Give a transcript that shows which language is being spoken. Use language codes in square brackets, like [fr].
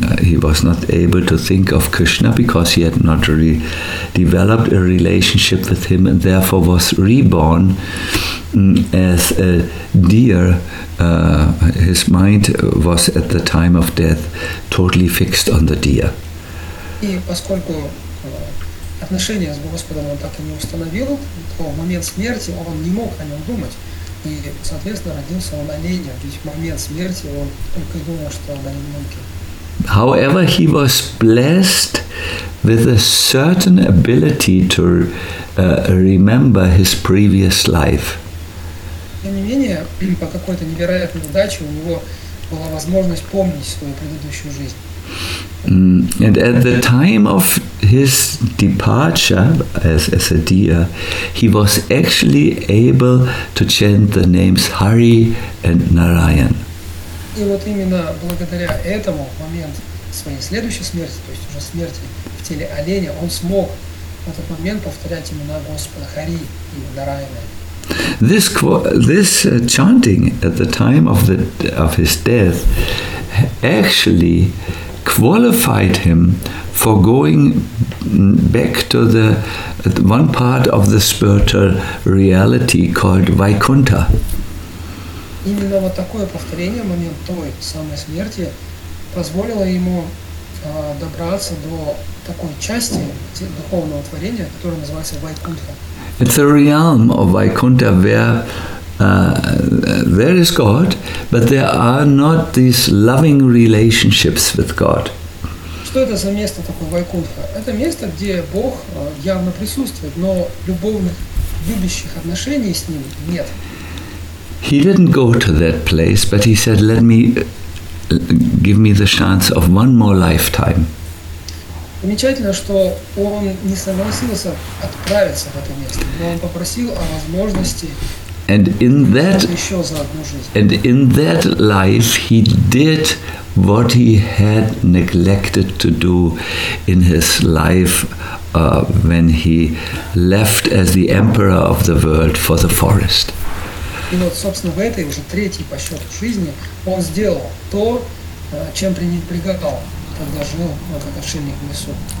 [en] He was not able to think of Krishna because he had not developed a relationship with him, and therefore was reborn as a deer. His mind was at the time of death totally fixed on the deer. [ru] И поскольку отношения с Господом он так и не установил, то в момент смерти он не мог о нем думать. И, соответственно, родился он оленем. Ведь в момент смерти он только и думал, что он оленем. [en] However, he was blessed with a certain ability to remember his previous life. [ru] Тем не менее, по какой-то невероятной удаче у него была возможность помнить свою предыдущую жизнь. [en] And at the time of his departure as a deer, he was actually able to chant the names Hari and Narayan. [ru] И вот именно благодаря этому в момент своей следующей смерти, то есть уже смерти в теле оленя, он смог в этот момент повторять имена Господа Хари и Нараяна. [en] This chanting at the time of his death actually qualified him for going back to the one part of the spiritual reality called Vaikuntha. [ru] Именно вот такое повторение в момент той самой смерти позволило ему добраться до такой части духовного творения, которое называется Vaikuntha. [en] It's a realm of Vaikuntha where there is God, but there are not these loving relationships with God. [ru] Что это за место такое Вайкунтха? Это место, где Бог явно присутствует, но любовных, любящих отношений с Ним нет. [en] He didn't go to that place, but he said, "Let me give me the chance of one more lifetime." [ru] Замечательно, что он не согласился отправиться в это место, но он попросил о возможности. [en] And in that life, he did what he had neglected to do in his life when he left as the emperor of the world for the forest. [ru] И вот, собственно, в этой уже третьей по счету жизни он сделал то, чем пренебрегал, когда жил как отшельник в лесу.